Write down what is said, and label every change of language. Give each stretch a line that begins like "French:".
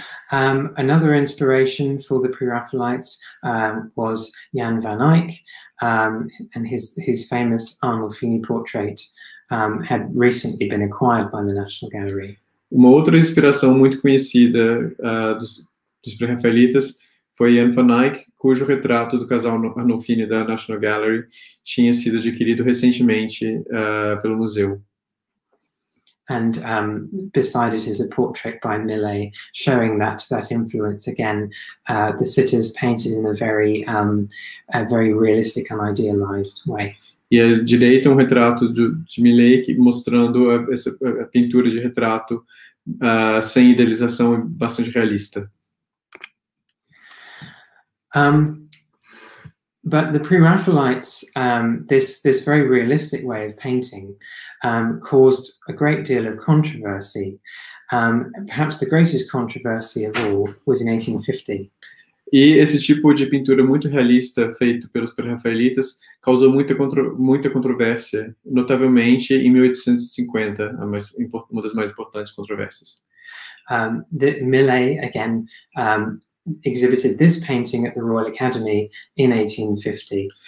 English: Another inspiration for the Pre-Raphaelites was Jan van Eyck, and his famous Arnolfini portrait had recently been acquired by the National Gallery.
Portuguese: Uma outra inspiração muito conhecida dos Pre-Raphaelites foi Jan van Eyck, cujo retrato do casal Arnolfini da National Gallery tinha sido adquirido recentemente pelo museu.
English: And beside it is a portrait by Millet showing that influence again. The sitters painted in a very realistic and idealized way.
Portuguese: E à direita um retrato de Millet mostrando a pintura de retrato sem idealização e bastante realista.
English: But the Pre-Raphaelites, this very realistic way of painting, caused a great deal of controversy. Perhaps the greatest controversy of all was in 1850.
Portuguese: E esse tipo de pintura muito realista feito pelos Pre-Raphaelites causou muita controvérsia, notavelmente em 1850, uma das mais importantes controvérsias.
English: The Millet, again, exhibited this painting at the Royal Academy in 1850.